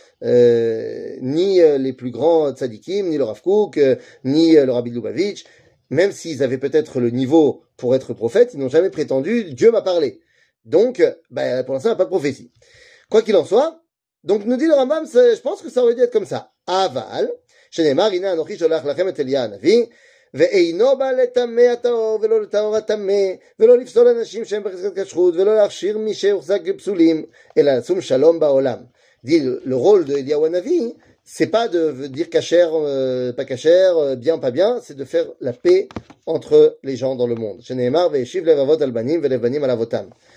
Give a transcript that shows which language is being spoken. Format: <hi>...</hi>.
<fr>ni les plus grands tzadikim, ni le Rav Kook, ni le Rabbi Lubavitch, même s'ils avaient peut-être le niveau pour être prophète, ils n'ont jamais prétendu « Dieu m'a parlé ». Donc, pour l'instant, il n'y a pas de prophétie. Quoi qu'il en soit, donc nous dit le Rambam, je pense que ça aurait dû être comme ça.</fr> <he>« Aval, shenemar, ina anochi sholach lachem et Eliyahu HaNavi, ואינו בא לטמא הטהור ולא לטהור הטמא ולא לפסול אנשים שהם בחזקת כשרות ולא להכשיר מי שהוחזק בפסולים אלא לשום שלום בעולם.</he> <fr>דיל, le rôle de Eliyahu HaNavi, c'est pas de dire kasher, pas kasher, bien, pas bien, c'est de faire la paix entre les gens dans le monde.</fr> <he>שנאמר וישיב לבבות על בנים ולבנים על אבותם.</he>